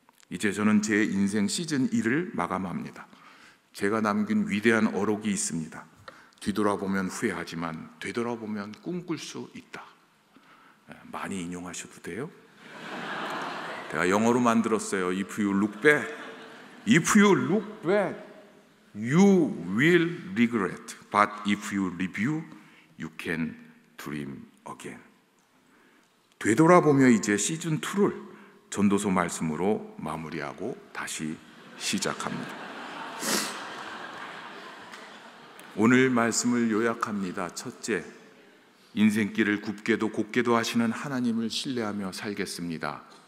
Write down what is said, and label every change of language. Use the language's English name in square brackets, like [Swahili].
[Korean] 이제 저는 제 인생 시즌 1을 마감합니다. 제가 남긴 위대한 어록이 있습니다. 뒤돌아보면 후회하지만 되돌아보면 꿈꿀 수 있다. 많이 인용하셔도 돼요. 제가 영어로 만들었어요. [English] If you look back, if you look back, you will regret. But if you review, you can dream again. [Korean] 되돌아보며 이제 시즌 2를 전도서 말씀으로 마무리하고 다시 시작합니다. 오늘 말씀을 요약합니다. 첫째, 인생길을 굽게도 곱게도 하시는 하나님을 신뢰하며 살겠습니다.